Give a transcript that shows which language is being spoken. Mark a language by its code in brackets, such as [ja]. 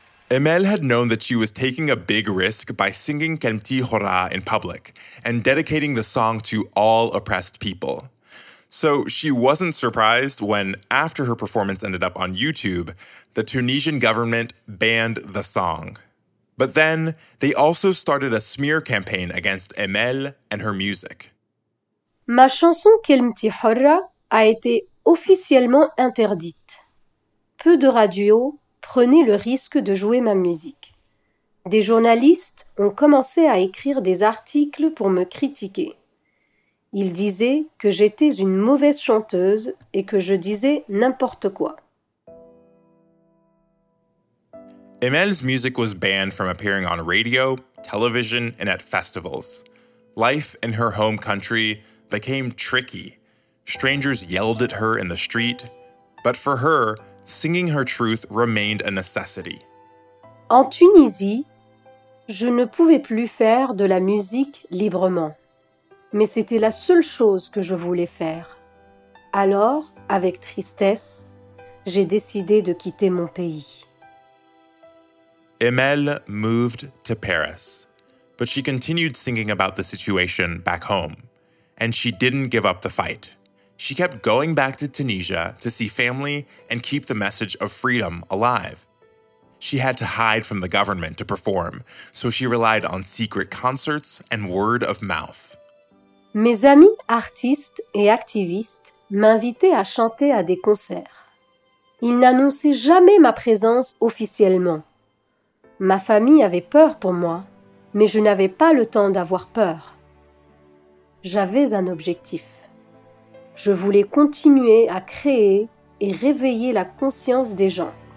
[en] Emel had known that she was taking a big risk by singing Kemti Hora in public and dedicating the song to all oppressed people. So she wasn't surprised when, after her performance ended up on YouTube, the Tunisian government banned the song. But then, they also started a smear campaign against Emel and her music. [fr] Ma chanson Kelmti Hora a été officiellement interdite. Peu de radios prenaient le risque de jouer ma musique. Des journalistes ont commencé à écrire des articles pour me critiquer. Il disait que j'étais une mauvaise chanteuse et que je disais n'importe quoi. [en] Emel's music was banned from appearing on radio, television, and at festivals. Life in her home country became tricky. Strangers yelled at her in the street. But for her, singing her truth remained a necessity. [fr] En Tunisie, je ne pouvais plus faire de la musique librement. Mais c'était la seule chose que je voulais faire. Alors, avec tristesse, j'ai décidé de quitter mon pays. [en] Emel moved to Paris, but she continued singing about the situation back home, and she didn't give up the fight. She kept going back to Tunisia to see family and keep the message of freedom alive. She had to hide from the government to perform, so she relied on secret concerts and word of mouth. [fr] Mes amis artistes et activistes m'invitaient à chanter à des concerts. Ils n'annonçaient jamais ma présence officiellement. Ma famille avait peur pour moi, mais je n'avais pas le temps d'avoir peur. J'avais un objectif. Je voulais continuer à créer et réveiller la conscience des gens.